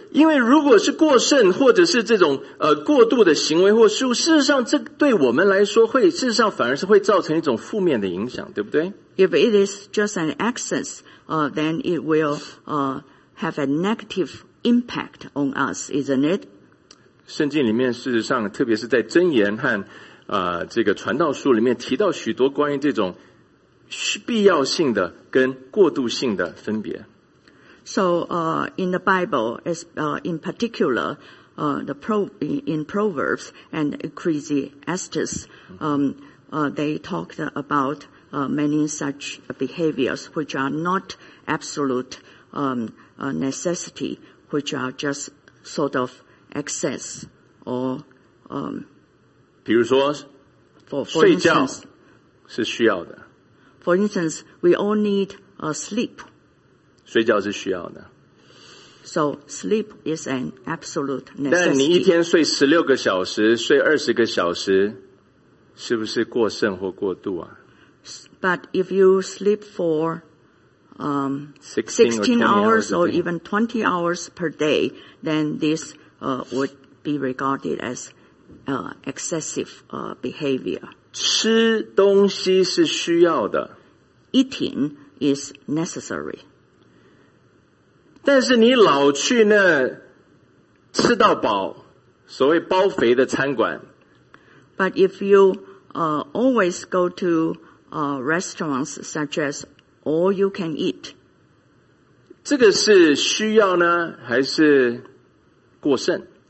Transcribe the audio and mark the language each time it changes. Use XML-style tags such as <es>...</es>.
<zh>因为如果是过剩或者是这种过度的行为或事物，事实上这对我们来说会，事实上反而是会造成一种负面的影响，对不对？</zh> <en>If it is just an excess, then it will have a negative impact on us, isn't it?</en> <zh>圣经里面事实上特别是在箴言和这个传道书里面提到许多关于这种必要性的跟过度性的分别。</zh> <en>So, in the Bible, as, in particular, in Proverbs and Ecclesiastes, they talked about, many such behaviors which are not absolute, necessity, which are just sort of excess or,</en> <zh>比如说,</zh> <en>for</en> <zh>睡觉是需要的。</zh> <en>For instance, we all need, sleep.</en> <zh>睡觉是需要的。</zh> <en>So, sleep is an absolute necessity.</en> <zh>但你一天睡16个小时，睡20个小时，是不是过剩或过度啊？</zh> <en>But if you sleep for 16 hours or even 20 hours per day, then this would be regarded as excessive behavior.</en> <zh>吃东西是需要的。</zh> <en>Eating is necessary.</en> <zh>但是你老去那吃到饱，所谓包肥的餐馆。</zh> <en>But if you always go to restaurants such as all you can eat,</en> <zh>这个是需要呢，还是过剩？</zh>